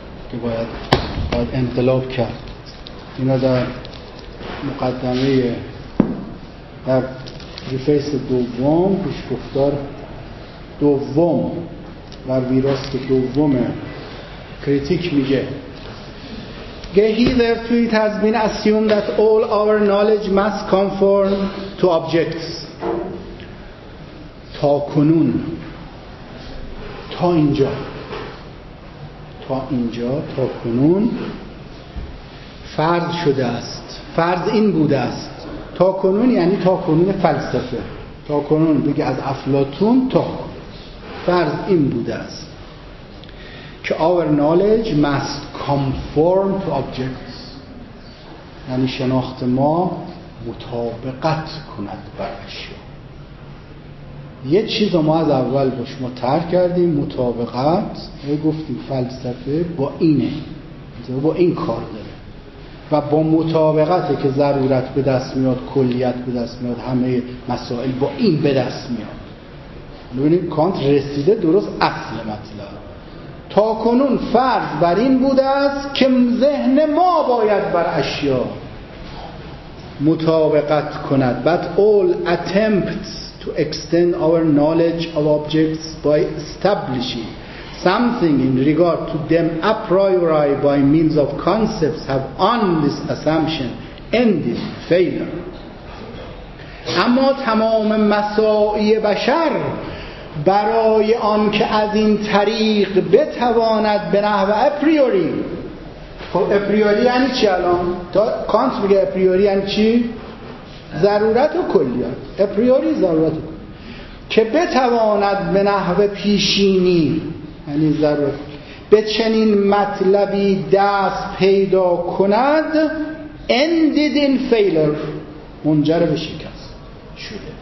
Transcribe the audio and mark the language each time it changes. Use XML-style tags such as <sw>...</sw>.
<fa>که باید انقلاب کرد. اینا در مقدمه در ریفیس دوم، پیش گفتار دوم در ویراست دوم کریتیک میگه.</fa> <en>Hither to it has been assumed that all our knowledge must conform to objects.</en> <fa>تا کنون، تا اینجا، تا اینجا، تا کنون فرض شده است، فرض این بوده است. تا کنون یعنی تا کنون فلسفه، تا کنون بگه از افلاطون تا فرض این بوده است که</fa> <en>our knowledge must conform to objects،</en> <fa>یعنی شناخت ما مطابقت کند بر اشیا. یه چیز ما از اول با شما ترک کردیم، مطابقت، گفتیم فلسفه با اینه، با این کار داره و با مطابقته که ضرورت به دست میاد، کلیت به دست میاد، همه مسائل با این به دست میاد. ببینیم کانت رسیده درست اصل مطلب. تا کنون فرض بر این بوده است که ذهن ما باید بر اشیا مطابقت کند.</fa> <en>But all attempts to extend our knowledge of objects by establishing something in regard to them a priori by means of concepts have on this assumption ended failure.</en> <fa>اما تمام مساعی بشر برای آن که از این طریق بتواند به نحو اپریوری، خب اپریوری یعنی چی الان؟ تا کانت میگه اپریوری یعنی چی؟ ضرورت و کلیات، اپریوری ضرورت و کلیات، که بتواند به نحو پیشینی یعنی ضرورت به چنین مطلبی دست پیدا کند،</fa> <en>ended in failure،</en> <fa>منجر به شکست شده.</fa>